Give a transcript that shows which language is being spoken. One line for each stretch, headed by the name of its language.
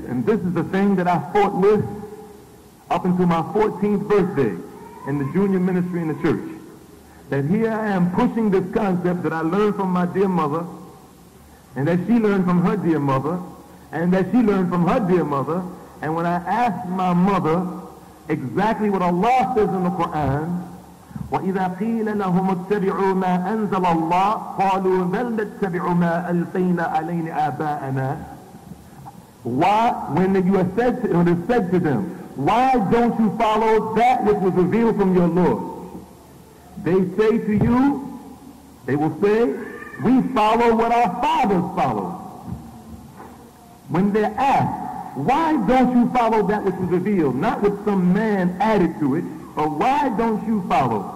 English: And this is the thing that I fought with up until my 14th birthday in the junior ministry in the church. That here I am pushing this concept that I learned from my dear mother, and that she learned from her dear mother, and that she learned from her dear mother. And when I asked my mother exactly what Allah says in the Quran,
Arabic: وَإِذَا قِيلَ لَهُمُ اتَّبِعُوا مَا أَنزَلَ اللَّهُ قَالُوا بَلْ نَتَّبِعُ مَا أَلْقَيْنَا عَلَيْنِ آبَاءَنَا.
English: Why, when you are said to, when it is said to them, why don't you follow that which was revealed from your Lord? They say to you, they will say, we follow what our fathers follow. When they're asked, why don't you follow that which was revealed, not with some man added to it, but why don't you follow?